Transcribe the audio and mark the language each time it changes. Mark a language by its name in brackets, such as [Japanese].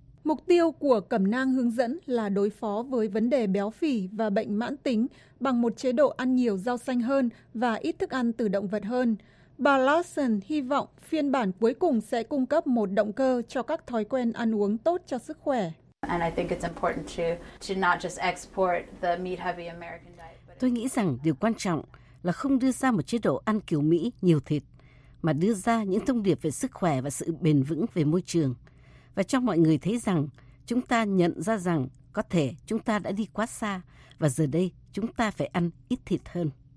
[Vietnamese] Mục tiêu của cẩm nang hướng dẫn là đối phó với vấn đề béo phì và bệnh mãn tính bằng một chế độ ăn nhiều rau xanh hơn và ít thức ăn từ động vật hơn. Bà Lawson hy vọng phiên bản cuối cùng sẽ cung cấp một động cơ cho các thói quen ăn uống tốt cho sức khỏe. [English] And I think it's important to not just export the meat-heavy American diet. [Vietnamese] Tôi nghĩ rằng điều quan trọng là không đưa ra một chế độ ăn kiểu Mỹ nhiều thịt, mà đưa ra những thông điệp về sức khỏe và sự bền vững về môi trường, và cho mọi người thấy rằng chúng ta nhận ra rằng có thể chúng ta đã đi quá xa và giờ đây chúng ta phải ăn ít thịt hơn.